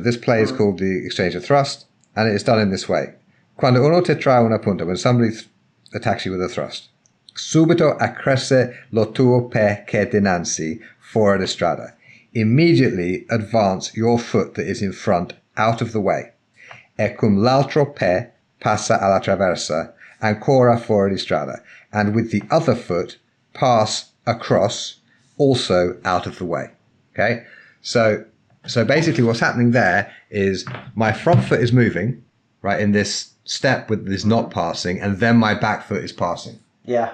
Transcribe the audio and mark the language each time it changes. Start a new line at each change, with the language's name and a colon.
English: This play is called the exchange of thrust, and it is done in this way.
Italian: Quando uno ti trae una punta,
English: when somebody attacks you with a thrust,
Italian: subito accresce lo tuo pe che dinanzi fuori di strada.
English: Immediately advance your foot that is in front out of the way.
Italian: E cum l'altro pe passa alla traversa ancora fuori di strada.
English: And with the other foot, pass across also out of the way. Okay? So basically what's happening there is my front foot is moving, right, in this step with this not passing, and then my back foot is passing. Yeah.